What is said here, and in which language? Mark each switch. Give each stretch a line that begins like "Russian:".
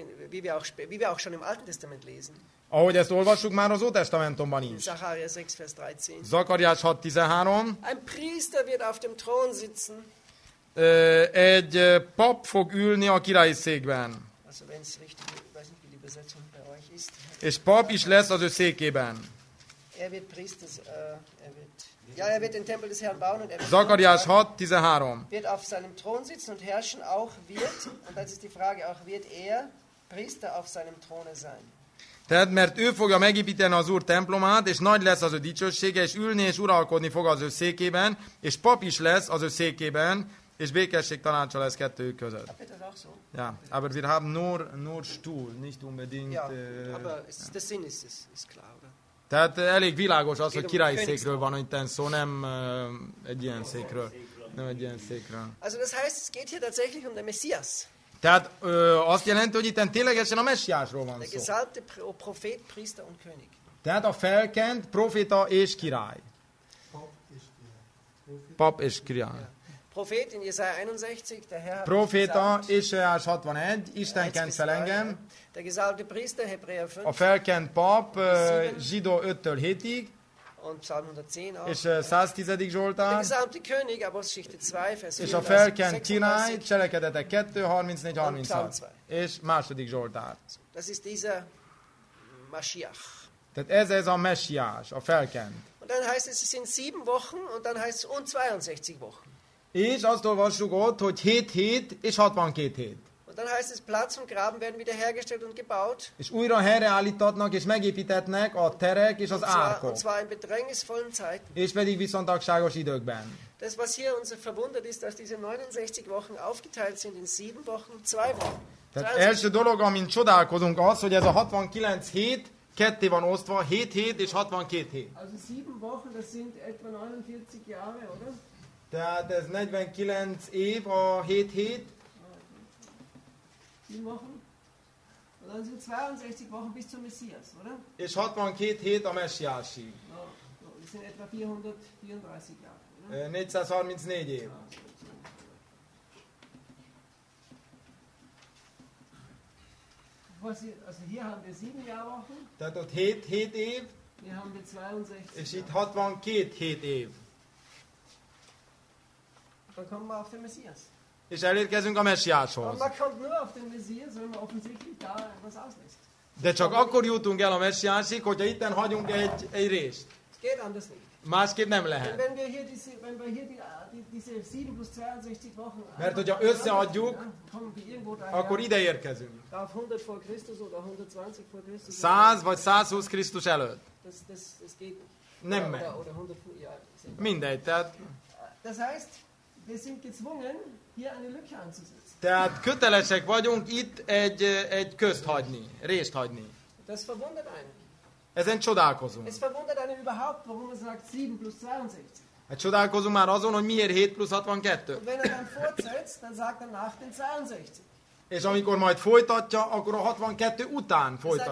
German: Wie wir auch schon im Alten Testament lesen.
Hungarian: Ahogy ezt olvassuk már az Ótestamentumban is.
German: Zachariah 6, Vers 13.
Hungarian: Zakariás 6, 13.
German: Ein Priester wird auf dem Thron sitzen.
Hungarian: Egy pap fog ülni a királyi székben.
German: Also, wenn's richtig, weiß nicht, wie die Übersetzung bei euch ist.
Hungarian: És pap is lesz az ő székében.
German: Er wird den Tempel des Herrn bauen und er wird
Hungarian: Zakariás 6, 13.
German: wird auf seinem Thron sitzen und herrschen auch wird, und das ist die Frage, auch wird er Priester auf seinem Throne sein.
Hungarian: Tehát, mert ő fogja megépíteni az Úr templomát, és nagy lesz az ő dicsősége, és ülni és uralkodni fog az ő székében, és pap is lesz az ő székében, és békesség tanácsa lesz kettőjük között.
German: Ja, aber wir haben nur Stuhl, nicht unbedingt... Ja, aber der Sinn ist klar, oder?
Hungarian: Tehát elég világos az, hogy királyi székről van itten szó, nem egy ilyen székről. Nem egy ilyen székről.
German: Also das heißt, es geht hier tatsächlich um den Messias.
Hungarian: Tehát azt jelenti, hogy itten ténylegesen a messiásról van szó.
German: Der gesalbte Prophet, Priester und König.
Hungarian: Tehát a felkent proféta és király. Pap és király.
German: Prophet in Jesaja 61, der Herr hat Propheta gesagt,
Hungarian: Jesaja 61, Isten kennt fel engem.
German: Der gesalbte Priester, Hebräer 5.
Hungarian: A felkent pap, Zsidó 5-től 7-ig.
German: Und Psalm 110 auch.
Hungarian: És 110. Zsoltán.
German: Der gesalbte König, Apostelgeschichte 2, Vers 4.
Hungarian: És a felkent király, Cselekedetek 2, 34-36. És második Zsoltán.
German: Das ist dieser Mashiach.
Hungarian: Tehát ez a messiás, a felkent.
German: Und dann heißt es sind 7 Wochen und dann heißt es und 62 Wochen.
Hungarian: És azt olvassuk ott, hogy 7 hét és 62 hét.
German: Und dann heißt es, Platz und Graben werden wiederhergestellt und gebaut.
Hungarian: És újra helyreállítatnak és megépítetnek a terek és az árkok.
German: Und zwar in bedrängnisvollen Zeiten.
Hungarian: És pedig viszontagságos időkben.
German: Das, was hier uns verwundert ist, dass diese 69 Wochen aufgeteilt sind in 7 Wochen, 2 Wochen.
Hungarian: Tehát első dolog, amin csodálkozunk az, hogy ez a 69 hét ketté van osztva, 7 hét és 62 hét.
German: Also 7 Wochen, das sind etwa 49 Jahre, oder?
Hungarian: Tehát ez 49 év a 7 hét.
German: 7 Wochen. Und dann sind 62 Wochen bis zum Messias, oder?
Hungarian: És 62 hét a messiásig.
German: Ja, das sind etwa 434 Jahre, oder?
Hungarian: 434 év.
German: Also hier haben wir 7 Jahrwochen.
Hungarian: Tehát ott 7 év.
German: Hier haben wir 62 Jahre.
Hungarian: És itt 62 hét év.
German: Dann kommen wir auf den Messias.
Hungarian: És elérkezünk a messiáshoz.
German: Man kommt nur auf den Messias, wenn man offensichtlich da etwas auslässt.
Hungarian: De csak akkor jutunk el a messiásig, hogyha itten hagyunk egy részt.
German: Es geht anders nicht.
Hungarian: Másképp nem lehet.
German: Wenn wir hier diese 7 plus 62 Wochen.
Hungarian: Mert hogyha összeadjuk, akkor ide érkezünk.
German: Auf 100 vor Christus oder 120 vor Christus.
Hungarian: 100 vagy 120 Krisztus előtt.
German: Das geht.
Hungarian: Nem meg. Mindegy, tehát...
German: Das heißt, wir sind gezwungen, hier eine Lücke anzusetzen.
Hungarian: Tehát kötelesek vagyunk itt egy közt hagyni, részt hagyni.
German: Das verwundert einen.
Hungarian: Ezen csodálkozunk.
German: Es verwundert einen überhaupt, warum es sagt 7 plus 62.
Hungarian: Hát csodálkozunk már azon, hogy miért 7 plus 62.
German: Und wenn er dann fortsetzt, dann sagt er nach den 62.
Hungarian: És amikor majd folytatja, akkor a 62 után folytatja.